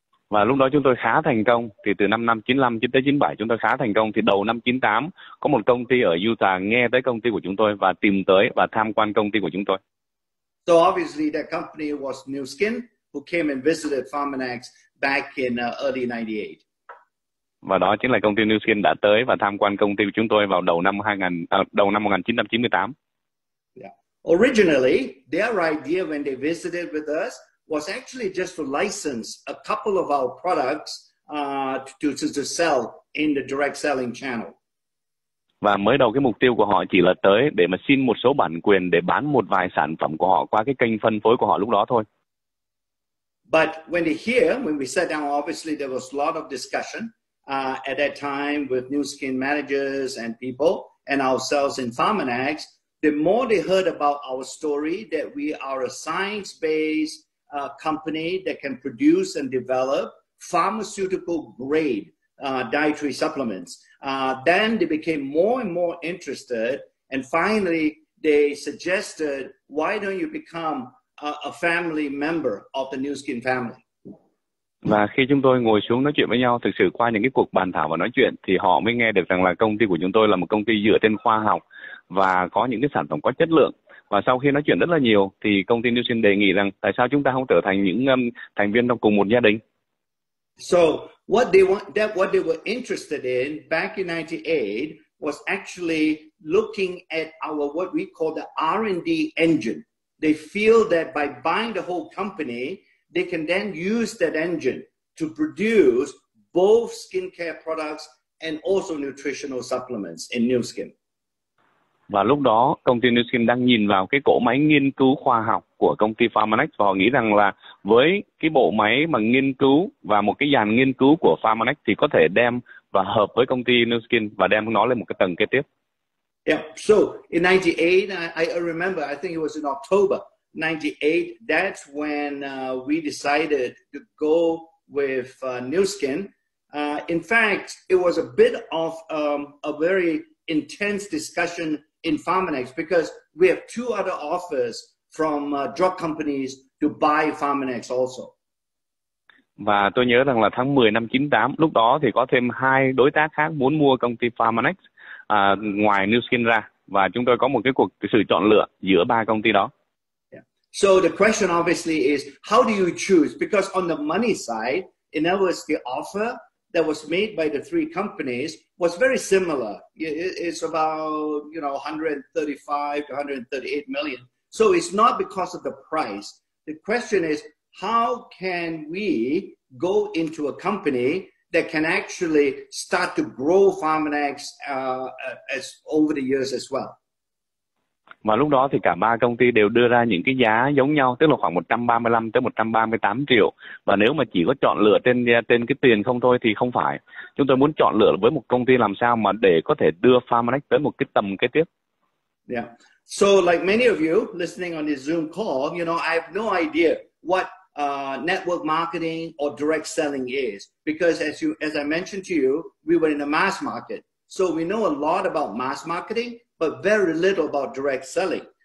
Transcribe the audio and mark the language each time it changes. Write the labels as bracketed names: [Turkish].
[Vietnamese] Và lúc đó chúng tôi khá thành công, thì từ năm 95 đến 97 chúng tôi khá thành công, thì đầu năm 98 có một công ty ở Utah nghe tới công ty của chúng tôi và tìm tới và tham quan công ty của chúng tôi. [English] So obviously that company was New Skin, who came and visited Pharmanex back in early 98. [Vietnamese] Và đó chính là công ty New Skin đã tới và tham quan công ty của chúng tôi vào đầu năm 1998. [English] Yeah. Originally, their idea when they visited with us was actually just to license a couple of our products to sell in the direct selling channel. Và mới đầu cái mục tiêu của họ chỉ là tới để mà xin một số bản quyền để bán một vài sản phẩm của họ qua cái kênh phân phối của họ lúc đó thôi. But when they hear, when we sat down, obviously there was a lot of discussion at that time with New Skin managers and people and ourselves in Pharmanex. The more they heard about our story, that we are a science-based company that can produce and develop pharmaceutical grade dietary supplements. Then they became more and more interested, and finally they suggested, why don't you become a family member of the New Skin family? [Vietnamese] Và khi chúng tôi ngồi xuống nói chuyện với nhau, thực sự qua những cái cuộc bàn thảo và nói chuyện, thì họ mới nghe được rằng là công ty của chúng tôi là một công ty dựa trên khoa học và có những cái sản phẩm có chất lượng. Và sau khi nói chuyện rất là nhiều thì công ty Nielsen đề nghị rằng tại sao chúng ta không trở thành những thành viên trong cùng một gia đình. [English] So what they want, that what they were interested in back in 98 was actually looking at our what we call the R&D engine. They feel that by buying the whole company, they can then use that engine to produce both skincare products and also nutritional supplements in Nu Skin. [Vietnamese] Và lúc đó, công ty Nu Skin đang nhìn vào cái cỗ máy nghiên cứu khoa học của công ty Pharmanex và họ nghĩ rằng là với cái bộ máy mà nghiên cứu và một cái dàn nghiên cứu của Pharmanex thì có thể đem và hợp với công ty Nu Skin và đem nó lên một cái tầng kế tiếp. [English] Yeah, so in 98, I remember, I think it was in October 98, that's when we decided to go with Nu Skin. In fact, it was a bit of a very intense discussion in Pharmanex because we have two other offers from drug companies to buy Pharmanex also. [Vietnamese] Và tôi nhớ rằng là tháng 10 năm 98, lúc đó thì có thêm hai đối tác khác muốn mua công ty Pharmanex ngoài Nu Skin ra. Và chúng tôi có một cái cuộc sự chọn lựa giữa ba công ty đó. Yeah. [English] So the question obviously is, how do you choose? Because on the money side, in other words, the offer that was made by the three companies was very similar. It's about, you know, 135 to 138 million. So it's not because of the price. The question is, how can we go into a company that can actually start to grow Pharmanex as over the years as well? [Vietnamese] Và lúc đó thì cả ba công ty đều đưa ra những cái giá giống nhau, tức là khoảng 135 tới 138 triệu. Và nếu mà chỉ có chọn lựa trên cái tiền không thôi thì không phải. Chúng tôi muốn chọn lựa với một công ty làm sao mà để có thể đưa Pharmanex tới một cái tầm kế tiếp. [English] Yeah. So like many of you listening on this Zoom call, you know, I have no idea what network marketing or direct selling is, because as I mentioned to you, we were in a mass market. So we know a lot about mass marketing, but very little about direct selling.